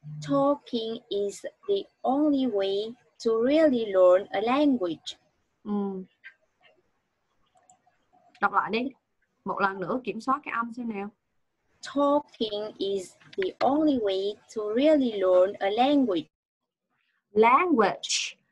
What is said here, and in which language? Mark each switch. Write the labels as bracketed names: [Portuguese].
[English] Talking is the only way to really learn a language. [Vietnamese] Đọc lại đi. Một lần nữa kiểm soát cái âm xem nào. [English] Talking is the only way to really learn a language.